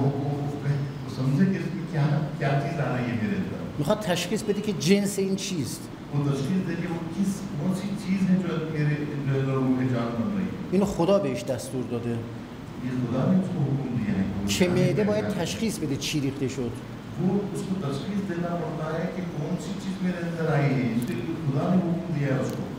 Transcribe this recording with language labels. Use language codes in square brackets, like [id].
[ur] ام سمجھے کہ اس میں کیا کیا چیز آ رہی ہے میرے اندر [fa] میخواد تشخیص بده [ur] کہ [fa] جنس این چیز [ur] وہ تشخیص دے کہ وہ کس کون سی چیز ہے جو میرے اندر وہ جان بن رہی ہے [fa] اینو خدا بهش دستور داده [ur] یہ خدا نے اس کو حکم دیا ہے [fa] چه معده باید تشخیص بده چی ریخته شد [ur] وہ اس کو تشخیص دینا پڑتا ہے کہ کون سی چیز میرے اندر آئی ہے اس لیے خدا نے حکم دیا ہے اس کو